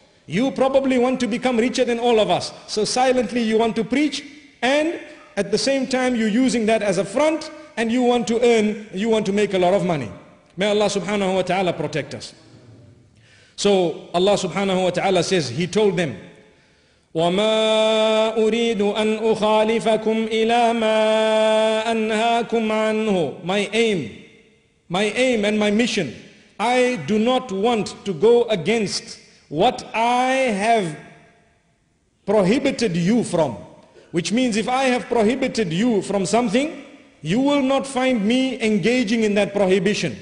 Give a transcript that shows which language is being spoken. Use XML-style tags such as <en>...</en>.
<en>You probably want to become richer than all of us. So silently you want to preach, and at the same time you're using that as a front, and you want to earn, you want to make a lot of money. May Allah subhanahu wa ta'ala protect us. So Allah subhanahu wa ta'ala says, he told them,</en> <ar>وَمَا أُرِيدُ أَنْ أُخَالِفَكُمْ إِلَى مَا أَنْهَاكُمْ عَنْهُ.</ar> <en>My aim and my mission, I do not want to go against what I have prohibited you from. Which means if I have prohibited you from something, you will not find me engaging in that prohibition.</en>